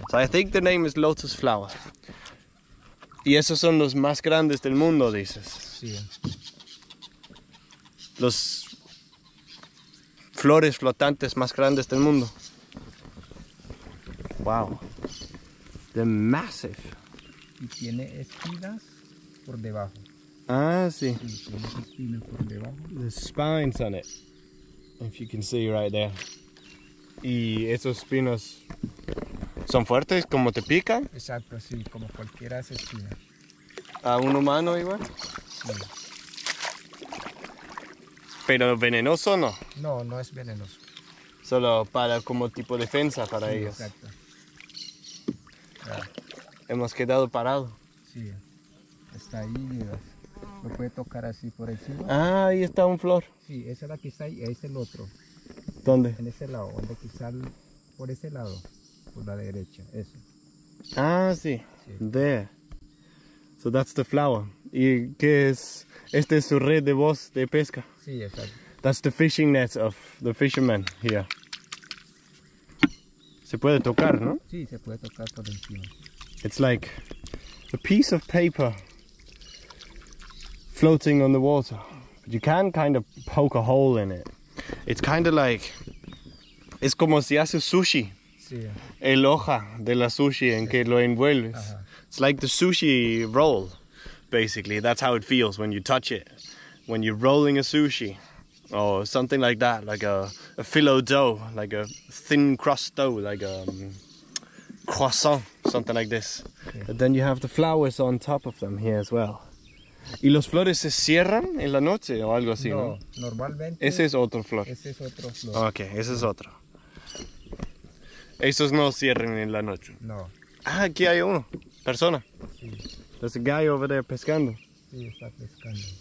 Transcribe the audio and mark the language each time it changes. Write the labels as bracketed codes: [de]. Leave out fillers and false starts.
[en] So I think the name is Lotus Flower. [es] Y esos son los más grandes del mundo, dices. Sí. Los flores flotantes más grandes del mundo. [en] Wow. They're massive. [es] Y tiene espinas por debajo. Ah, sí. [en] There's spines on it, if you can see right there. [es] Y esos espinos son fuertes, como te pican. Exacto, sí, como cualquiera de esas espinas. ¿A un humano igual? Sí. ¿Pero venenoso o no? No, no es venenoso. Solo para como tipo defensa para sí, ellos. Exacto. Hemos quedado parado. Sí, está ahí. Lo puede tocar así por encima. Ah, ahí está un flor. Sí, esa es la que está ahí, ahí es el otro. ¿Dónde? En ese lado, donde quizá por ese lado, por la derecha, eso. Ah, sí. [en] There. So that's the flower. [es] ¿Y qué es? Este es su red de voz de pesca. Sí, exacto. [en] That's the fishing net of the fisherman here. [es] Se puede tocar, ¿no? Sí, se puede tocar por encima. [en] It's like a piece of paper floating on the water, but you can kind of poke a hole in it. It's kind of like, [es] es como si hace sushi. Sí. El hoja de la sushi en que lo envuelves. Uh-huh. [en] It's like the sushi roll, basically. That's how it feels when you touch it. When you're rolling a sushi or something like that, like a phyllo dough, like a thin crust dough, like a croissant, something like this. Yeah. But then you have the flowers on top of them here as well. [es] ¿Y los flores se cierran en la noche o algo así? No, normalmente... Ese es otro flor. Ok, ese es otro. Esos no cierran en la noche. No. Ah, aquí hay uno. Persona. Sí. [en] There's a guy over there [es] pescando. Sí, está pescando.